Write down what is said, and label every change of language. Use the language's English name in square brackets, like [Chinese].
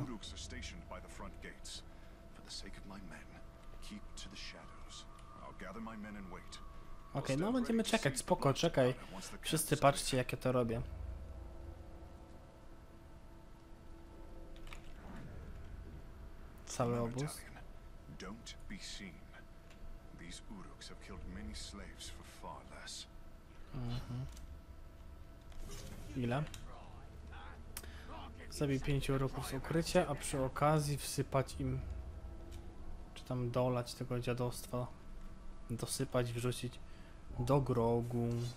[English] The Uruks are stationed by the front gates. For the sake of my men, keep to the shadows. I'll gather my men and wait. [Polish] Okej, no będziemy czekać, spoko, czekaj. Wszyscy patrzcie, jak ja to robię. Cały obóz. [English] Don't be seen. These Uruks have killed many slaves for far less. [Polish] Ile? Zabij 5 Uruków z ukrycia, a przy okazji wsypać im, czy tam dolać tego dziadostwa, dosypać, wrzucić do grogu.